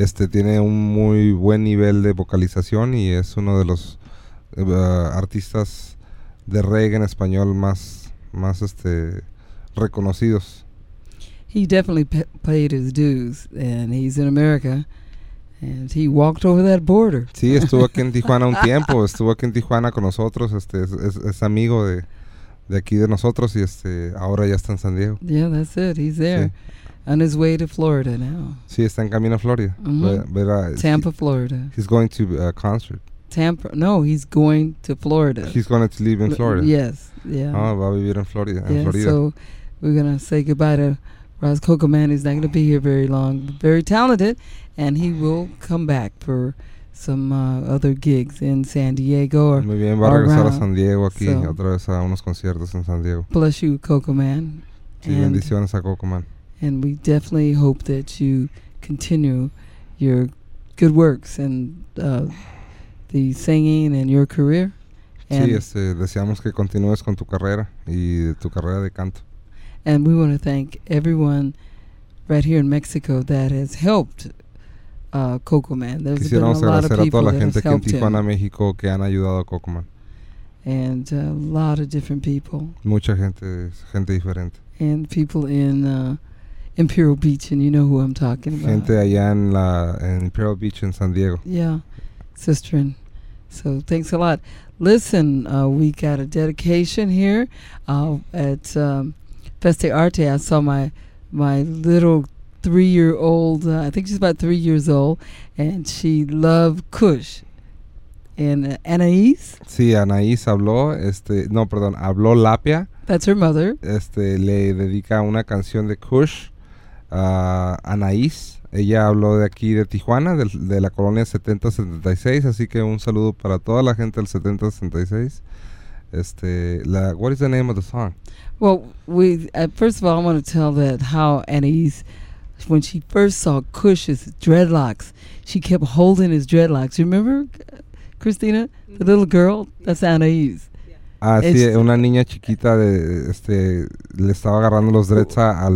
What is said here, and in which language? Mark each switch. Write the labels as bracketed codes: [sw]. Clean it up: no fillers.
[es] Tiene un muy buen nivel de vocalización y es uno de los artistas de reggae en español más reconocidos. [en] He definitely paid his dues, and he's in America, and he walked over that border. [es] Sí, estuvo aquí en Tijuana un tiempo, estuvo aquí en Tijuana con nosotros, es amigo de aquí de nosotros, y ahora ya está en San Diego. [en] Yeah, that's it, he's there. [es] Sí. [en] On his way to Florida now. [es] Sí, está en camino a Florida. [en] Mm-hmm. Tampa, Florida. He's going to a concert. Tampa? No, he's going to Florida. He's going to live in Florida. Yes, yeah. [es] Oh, va a vivir en Florida. [en] Yeah, in Florida. So we're going to say goodbye to Ros Cocoman. He's not going to be here very long. Very talented, and he will come back for some other gigs in San Diego or [es] around. Muy bien, va a regresar a San Diego aquí, so, otra vez a unos conciertos en San Diego. [en] Bless you, Cocoman. [es] Sí, and bendiciones a Cocoman. [en] And we definitely hope that you continue your good works and the singing and your career. [es] And sí, deseamos que continúes con tu carrera y tu carrera de canto. [en] And we want to thank everyone right here in Mexico that has helped Cocoman. There's been a lot of people that have helped him. [es] Quisiéramos agradecer a toda la gente en Tijuana, México, que han ayudado a Cocoman. [en] And a lot of different people. [es] Mucha gente diferente. [en] And people in Imperial Beach, and you know who I'm talking about. [es] Gente allá en Imperial Beach in San Diego. [en] Yeah, sister. And so thanks a lot. Listen, we got a dedication here at Feste Arte. I saw my little 3-year-old, I think she's about 3 years old, and she loved Kush. And Anaís? [es] Sí, Anaís habló, habló Lapia. [en] That's her mother. [es] Le dedica una canción de Kush. Anaís, ella habló de aquí de Tijuana, de la colonia 7076, así que un saludo para toda la gente del 7076. [en] What is the name of the song? Well, first of all, I want to tell that how Anaís, when she first saw Kush's dreadlocks, she kept holding his dreadlocks. You remember, Christina, mm-hmm. The little girl? That's Anaís. [es] Ah, [en] it's [es] sí, una niña chiquita de le estaba agarrando los dreads al